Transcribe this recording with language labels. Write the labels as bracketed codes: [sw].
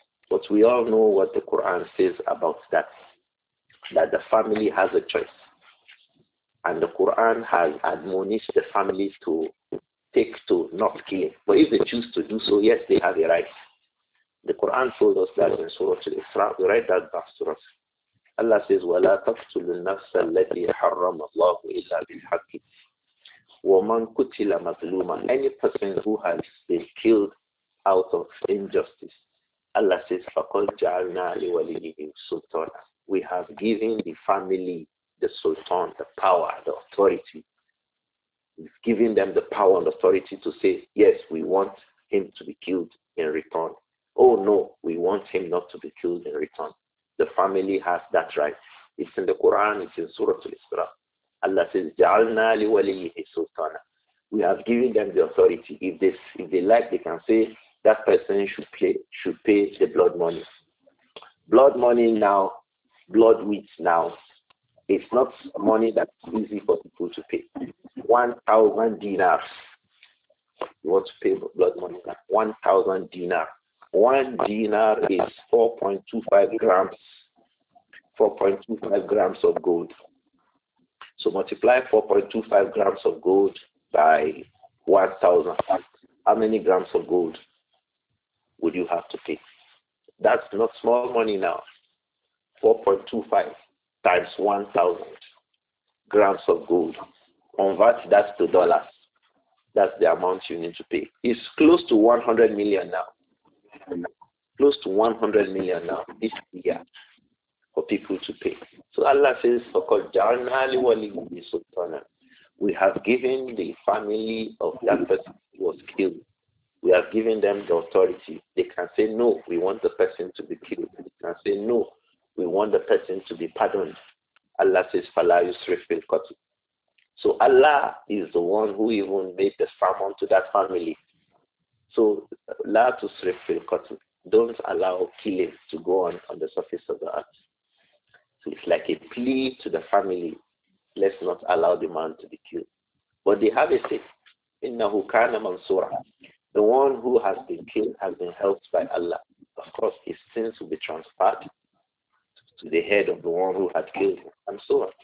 [en] But we all know what the Quran says about that, that the family has a choice. And the Quran has admonished the families to take to not kill. But if they choose to do so, yes, they have a right. The Quran told us that in Surah Al-Isra, we write that back to us. Allah says, [ar] وَلَا تَقْتُلُ النَّفْسَ الَّذِي حَرَّمَ اللَّهُ إِلَّا بِالْحَقِّ وَمَنْ كُتِلَ مَظْلُومًا. [en] Any person who has been killed out of injustice, Allah says, [ar] فَقَدْ جَعَلْنَا لِوَلِيِّهِ سُلْطَانًا. [en] We have given the family the sultan, the power, the authority. We've given them the power and authority to say, yes, we want him to be killed in return. Oh no, we want him not to be killed in return. The family has that right. It's in the Quran, it's in Surah Al-Isra. Allah says, [ar] جَعَلْنَا لِوَلِيِّهِ سُلْطَانًا. [en] We have given them the authority. If they like, they can say, that person should pay the blood money. Blood money now, blood wheat now, it's not money that's easy for people to pay. 1,000 dinars. You want to pay blood money now? 1,000 dinar. One dinar is 4.25 grams of gold. So multiply 4.25 grams of gold by 1,000. How many grams of gold would you have to pay? That's not small money now. 4.25 times 1,000 grams of gold. Convert that to dollars. That's the amount you need to pay. It's close to 100 million now. Close to 100 million now this year for people to pay. So Allah says, [ar] فَقَدْ جَعَلْنَا لِوَلِيِّهِ سُلْطَانًا. [en] We have given the family of that person who was killed, we have given them the authority. They can say, no, we want the person to be killed. They can say, no, we want the person to be pardoned. Allah says, [ar] فَلَا يُسْرِفْ فِي الْقَتْلِ. [en] So Allah is the one who even made the salmon to that family. [ar] So لَا تُسْرِفْ فِي الْقَتْلِ. [en] Don't allow killing to go on the surface of the earth. So it's like a plea to the family. Let's not allow the man to be killed. But they have a say. [ar] إِنَّهُ كَانَ مَنْصُورًا. [en] The one who has been killed has been helped by Allah. Of course, his sins will be transferred to the head of the one who had killed him, and so on.